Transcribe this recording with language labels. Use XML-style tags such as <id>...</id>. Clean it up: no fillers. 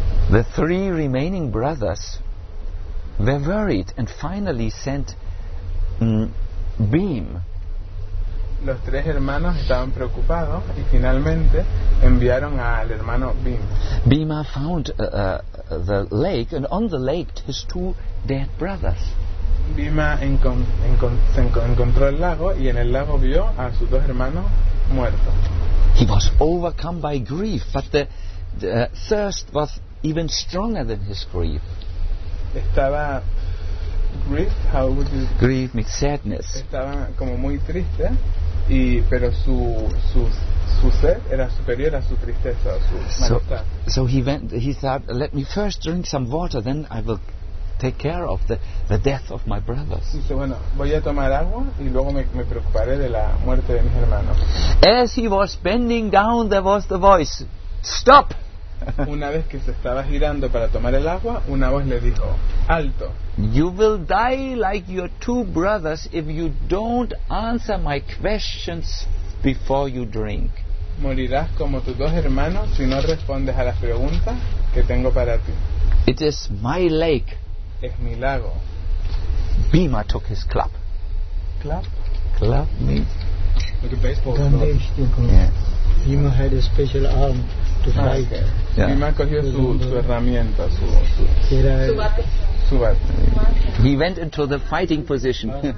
<en>The three remaining brothers were worried and finally sent Bhim.</en> <es>Los tres hermanos estaban preocupados y finalmente enviaron al hermano Bhima.</es> <en>Bhima found the lake and on the lake his two dead brothers.</en> <es>Bhima encontró el lago y en el lago vio a sus dos hermanos muertos.</es> <en>He was overcome by grief, but the thirst was even stronger than his grief.</en> <es>Estaba</es> <en>grief, how would you... Grief means sadness.</en> <es>Estaba como muy triste. Y pero su sed era superior a su tristeza, a su malestar.</es> <en>So he thought, let me first drink some water, then I will take care of the death of my brothers.</en> <es>Dice, bueno, voy a tomar agua y luego me preocuparé de la muerte de mis hermanos.</es> <en>As he was bending down, there was the voice, stop.</en> <es>Una vez que se estaba girando para tomar el agua, una voz le dijo, alto.</es> <en>You will die like your two brothers if you don't answer my questions before you drink.</en> <es>Morirás como tus dos hermanos si no respondes a las preguntas que tengo para ti.</es> <en>It is my lake.</en> <es>Es mi lago.</es> <en>Bhima took his club. Club? Club means... Like a baseball club. Yeah. Bhima had a special arm to fight. Okay. Yeah.</en> <es>Bhima cogió su herramienta, su bate. Su bate.</es> <en>He went into the fighting position.</en>